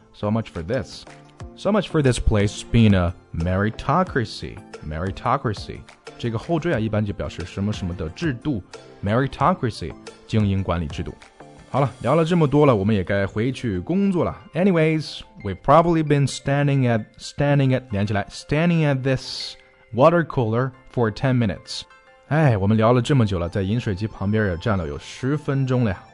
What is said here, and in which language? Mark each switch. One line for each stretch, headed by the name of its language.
English: So much for this place being a meritocracy. Meritocracy.
Chinese: 这个后缀啊，一般就表示什么什么的制度。 Meritocracy, 精英管理制度。好了，聊了这么多了，我们也该回去工作了。
English: Anyways, we've probably been standing at,
Chinese: 连起来
English: standing at this water cooler for 10 minutes.
Chinese: 哎，我们聊了这么久了，在饮水机旁边也站了有十分钟了呀。